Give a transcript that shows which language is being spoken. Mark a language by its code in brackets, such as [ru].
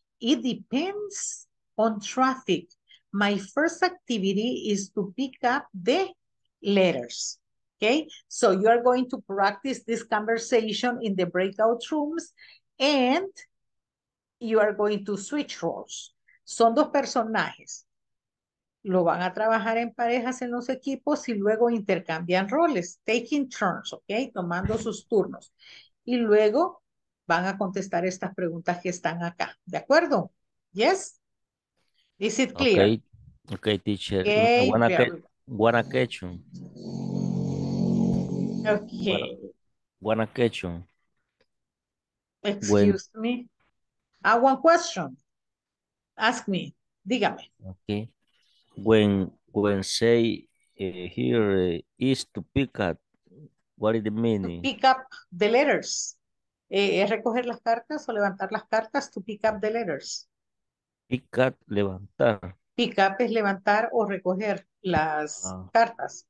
[en] It depends on traffic. My first activity is to pick up the letters, okay? So you are going to practice this conversation in the breakout rooms and you are going to switch roles. [es] Son dos personajes. Lo van a trabajar en parejas en los equipos y luego intercambian roles, [en] taking turns, okay? [es] Tomando sus turnos. Y luego van a contestar estas preguntas que están acá, ¿de acuerdo? [en] Yes? Is it clear? Okay. Okay, teacher. Okay, Guanaquechun. Okay. Guanaquechun. Excuse me. One question. Ask me. [es] Dígame. [en] Okay. When say here is to pick up, what is the meaning? To pick up the letters. [es] ¿Es recoger las cartas o levantar las cartas? [en] To pick up the letters. Pick up, levantar. [es] Pick up es levantar o recoger las cartas.